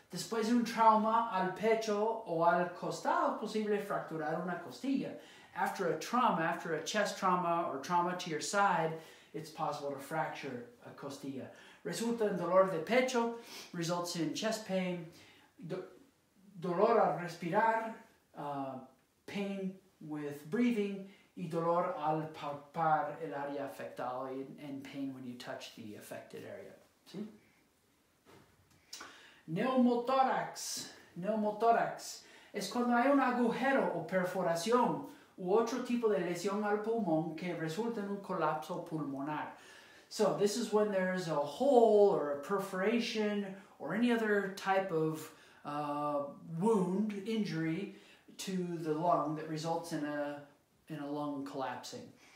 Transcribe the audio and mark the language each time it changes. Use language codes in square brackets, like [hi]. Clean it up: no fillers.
[es] Después de un trauma al pecho o al costado, posible fracturar una costilla. [en] After a trauma, after a chest trauma or trauma to your side, it's possible to fracture a costilla. [es] Resulta en dolor de pecho, [en] results in chest pain. [es] Dolor al respirar, [en] pain with breathing, [es] y dolor al palpar el área afectada, [en] and pain when you touch the affected area. [es] ¿Sí? Neumotórax. Es cuando hay un agujero o perforación u otro tipo de lesión al pulmón que resulta en un colapso pulmonar. [en] So this is when there's a hole or a perforation or any other type of wound, injury to the lung that results in a lung collapsing.